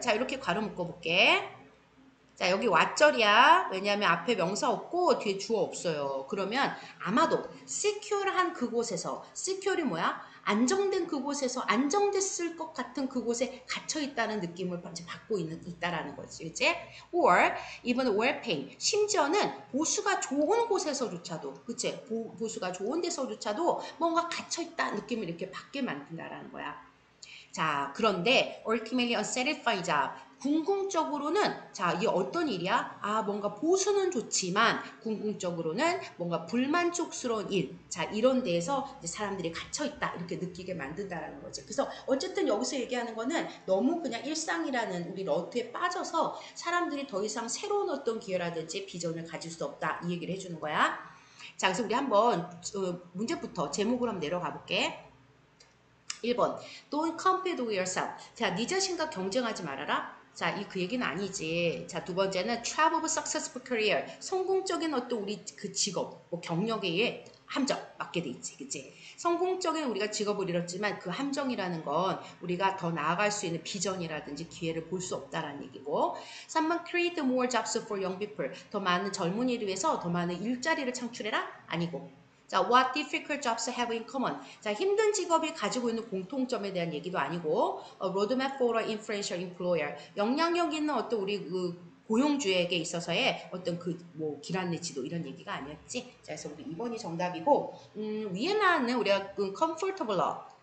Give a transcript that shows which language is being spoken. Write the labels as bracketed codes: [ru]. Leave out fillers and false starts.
[ko] 자 이렇게 괄호 묶어볼게. 자 여기 what절이야. 왜냐하면 앞에 명사 없고 뒤에 주어 없어요. 그러면 아마도 secure한 그곳에서 secure이 뭐야? 안정된 그곳에서 안정됐을 것 같은 그곳에 갇혀 있다는 느낌을 받고 있는 있다라는 거지. [en] 이제 or even well paying. [ko] 심지어는 보수가 좋은 곳에서조차도 그치? 보수가 좋은 데서조차도 뭔가 갇혀 있다 느낌을 이렇게 받게 만든다라는 거야. 자 그런데 [en] ultimately unsatisfied job [ko] 궁극적으로는 자 이게 어떤 일이야? 아 뭔가 보수는 좋지만 궁극적으로는 뭔가 불만족스러운 일 자 이런 데에서 이제 사람들이 갇혀있다 이렇게 느끼게 만든다라는 거지 그래서 어쨌든 여기서 얘기하는 거는 너무 그냥 일상이라는 우리 러트에 빠져서 사람들이 더 이상 새로운 어떤 기회라든지 비전을 가질 수 없다 이 얘기를 해주는 거야 자 그래서 우리 한번 문제부터 제목으로 한번 내려가 볼게 1번, [en] don't compete with yourself. [ko] 자, 네 자신과 경쟁하지 말아라. 자, 이그 얘기는 아니지. 자, 두 번째는 [en] travel successful career. [ko] 성공적인 어떤 우리 그 직업, 뭐 경력에 의해 함정 맞게 돼 있지. 그치? 성공적인 우리가 직업을 잃었지만 그 함정이라는 건 우리가 더 나아갈 수 있는 비전이라든지 기회를 볼 수 없다라는 얘기고. [en] 3번 create more jobs for young people. [ko] 더 많은 젊은이를 위해서 더 많은 일자리를 창출해라? 아니고. [en] 자, what difficult jobs have in common? [ko] 자, 힘든 직업이 가지고 있는 공통점에 대한 얘기도 아니고, [en] a roadmap for an influential employer. [ko] 영향력 있는 어떤 우리 그 고용주에게 있어서의 어떤 그 뭐 길 안내지도 이런 얘기가 아니었지. 자, 그래서 우리 2번이 정답이고, 위에 나왔는 우리가 그 comfortable lot.